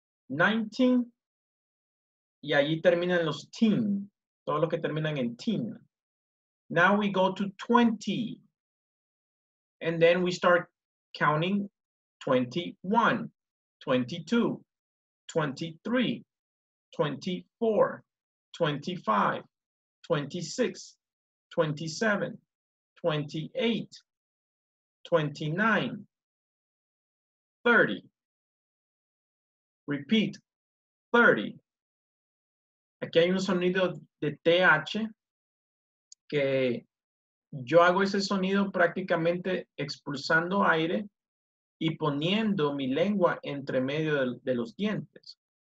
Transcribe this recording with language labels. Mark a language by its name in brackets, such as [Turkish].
[Spanish] 19, y allí terminan los teen, todos los que terminan en teen. [English] Now we go to 20, and then we start counting 21, 22, 23, 24, 25, 26, 27, 28, 29, 30. Repeat, 30. [Spanish] Aquí hay un sonido de TH que yo hago ese sonido prácticamente expulsando aire y poniendo mi lengua entre medio de los dientes.